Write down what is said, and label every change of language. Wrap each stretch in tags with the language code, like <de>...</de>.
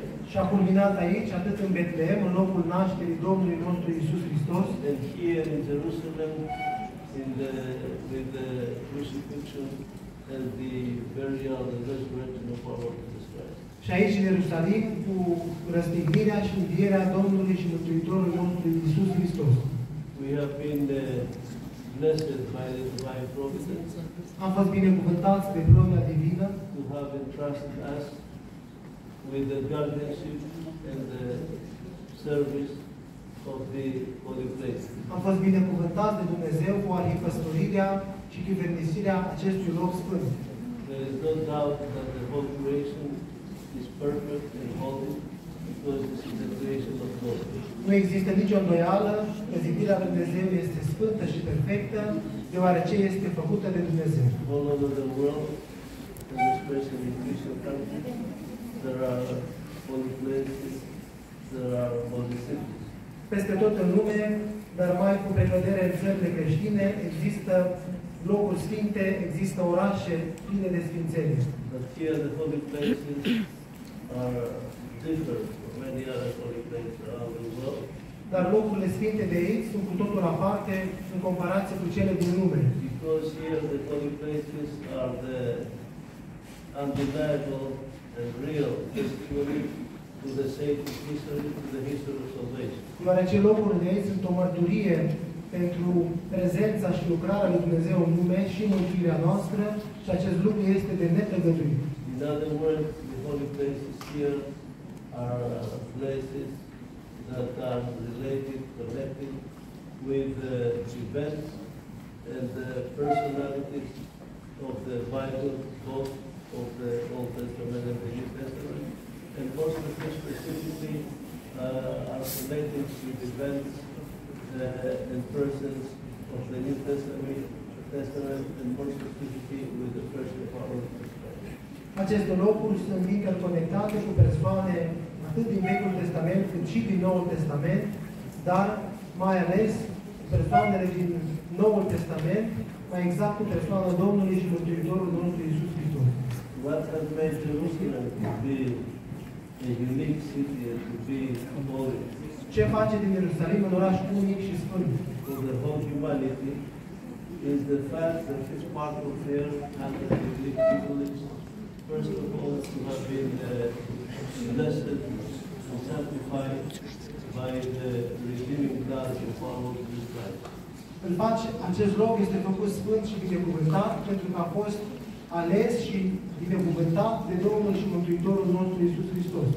<ro>Și a culminat aici, atât în Betlehem, în locul nașterii Domnului nostru Iisus Hristos.</ro> <en>And here in Jerusalem, in the, with the crucifixion and the burial and resurrection of our Lord Jesus Christ.</en> <ro>Și aici în Ierusalim, cu răstignirea și învierea Domnului și Mântuitorul nostru Iisus Hristos.</ro> <en>We have been blessed by the divine providence.</en> <ro>Am fost binecuvântați de gloria divină.</ro> <en>To have entrusted us with the guardianship and the service of the holy place.</en> <ro>Am fost binecuvântați de Dumnezeu cu arhipăstorirea și chivernisirea acestui loc sfânt.</ro> <en>There is no doubt that the whole creation is perfect and holy because this is the creation of God.</en> <ro>Nu există nicio îndoială că zidirea lui Dumnezeu este sfântă și perfectă, deoarece este făcută de Dumnezeu.</ro> <en>All over the world, and especially in Christian countries, there are holy places, there are holy cities.</en> <ro>Peste tot în lume, dar mai cu precădere în țările creștine, există locuri sfinte, există orașe pline de sfințenie.</ro> <en>But here the holy places are different from many other holy places around the world.</en> <ro>Dar locurile sfinte de aici sunt cu totul aparte în comparație cu cele din lume.</ro> <en>Because here the holy places are the undeniable and real history to the sake of history, to the history of salvation.</en> <ro>Deoarece locurile de aici sunt o mărturie pentru prezența și lucrarea lui Dumnezeu în lume și mântuirea noastră și acest lucru este de neprevăzut.</ro> <en>In other words, the holy places here are places that are related, connected with the events and the personalities of the Bible, both of the Old Testament and the New Testament, and most of them specifically are connected with events and persons of the New Testament, and more specifically with the first apostle.</en> <ro>Aceste locuri sunt interconectate cu persoane atât din Vechiul Testament cât și din Noul Testament, dar mai ales persoanele din Noul Testament, mai exact cu persoana Domnului și Mântuitorul nostru Iisus Hristos.</ro> <en>What has made Jerusalem to be a unique city and to be holy?</en> <ro>Ce face din Ierusalim un oraș unic și sfânt?</ro> <en>For the whole humanity is the fact that this part of the earth has a unique privilege. First of all, to have been blessed and sanctified by the redeeming God of our Lord Jesus Christ.</en> <ro>În pace, acest loc este făcut sfânt și binecuvântat pentru că a fost ales și binecuvântat de Domnul și Mântuitorul nostru Iisus Hristos.</ro>